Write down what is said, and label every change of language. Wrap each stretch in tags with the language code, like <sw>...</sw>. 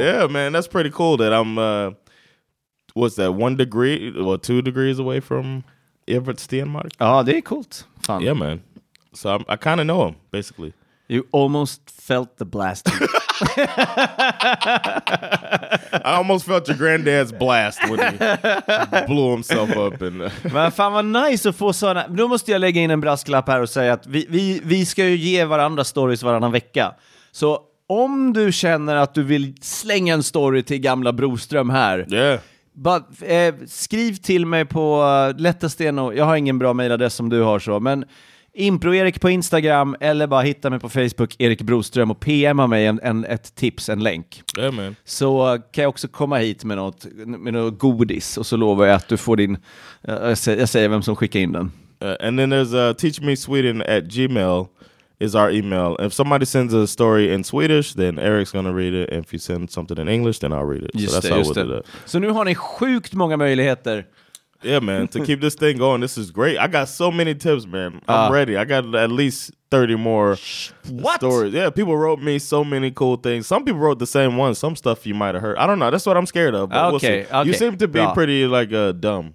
<en>yeah, man, that's pretty cool that I'm, what's that, 1 degree or well, 2 degrees away from Evert Stenmark? Oh, they cool. Fun. Yeah, man. So I kind of know him, basically. You almost felt the blast. I almost felt your granddad's blast when he blew himself up. And</en> <sv>men fan vad nice att få sådana. Nu måste jag lägga in en brasklapp här och säga att vi ska ju ge varandra stories varannan vecka. Så om du känner att du vill slänga en story till gamla Broström här.</sv> <en>Yeah.</en> <sv>Skriv till mig på Lättesten. Jag har ingen bra mailadress som du har så, men Impro Erik på Instagram eller bara hitta mig på Facebook Erik Broström och PMa mig ett tips, en länk.</sv> <en>Yeah, man.</en> <sv>Så kan jag också komma hit med något godis och så lovar jag att du får din jag säger vem som skickar in den.</sv> <en>And then there's teachmesweden@gmail is our email. If somebody sends a story in Swedish, then Eric's gonna read it. If you send something in English, then I'll read it.</en> <sv>Så nu har ni sjukt många möjligheter.</sv> <en>Yeah, man, to keep this thing going, this is great. I got so many tips, man. I'm ready. I got at least 30 more stories. Yeah, people wrote me so many cool things. Some people wrote the same ones. Some stuff you might have heard. I don't know. That's what I'm scared of. But okay, we'll see. Okay. You seem to be pretty, like, dumb.</en>